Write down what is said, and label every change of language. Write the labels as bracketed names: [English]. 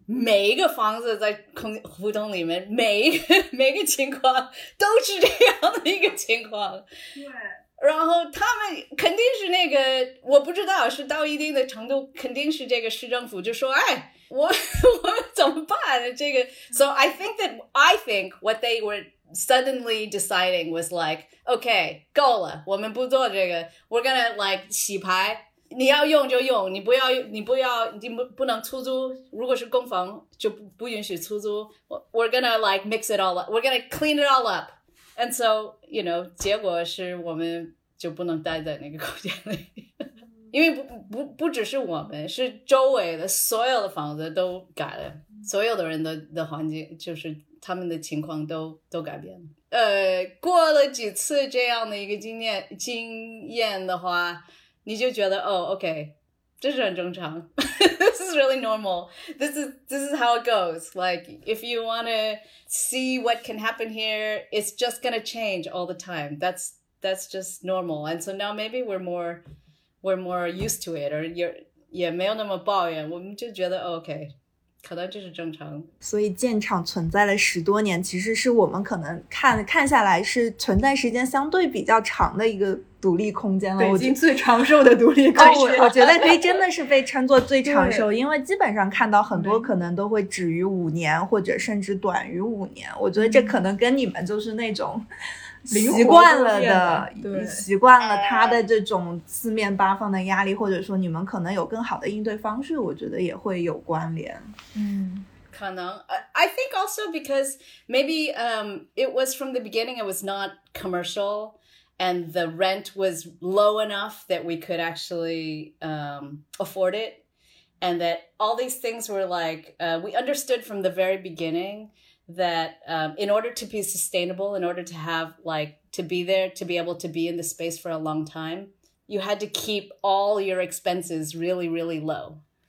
[Chinese] 每一个房子在胡同里面每一个情况都是这样的一个情况，对，然后他们肯定是那个，我不知道是到一定的程度肯定是这个市政府就说哎我怎么办这个。 [English] So I think what they wereSuddenly deciding was like, okay, [Chinese] 够了，我们不做这个。 [English] We're gonna like [Chinese] 洗牌，你要用就用，你不能出租。如果是公房，就不允许出租。 [English] We're gonna like mix it all up. We're gonna clean it all up. And so, you know, [Chinese] 结果是我们就不能待在那个空间里，因为不只是我们，是周围的所有的房子都改了，所有的人的环境就是。他们的情况都改变了。过了几次这样的一个经验的话，你就觉得哦 ，OK， 这是很正常。 [English] This is really normal. This is how it goes. Like if you want to see what can happen here, it's just gonna change all the time. That's just normal. And so now maybe we're more used to it, or you're [Chinese] 也没有那么抱怨。我们就觉得、哦、OK。可能这是正常，所以建厂存在了十多年，其实是我们可能看下来是存在时间相对比较长的一个独立空间了。北京最长寿的独立空间，我觉得可以真的是被称作最长寿，因为基本上看到很多可能都会止于5年，或者甚至短于5年。我觉得这可能跟你们就是那种习惯了的，习惯了他的这种四面八方的压力，或者说你们可能有更好的应对方式，我觉得也会有关联。嗯， [English] 可能 I think also because maybe it was from the beginning it was not commercial and the rent was low enough that we could actually afford it, and that all these things were like we understood from the very beginningthat in order to be sustainable, in order to have like to be there, to be able to be in the space for a long time, you had to keep all your expenses really, really low.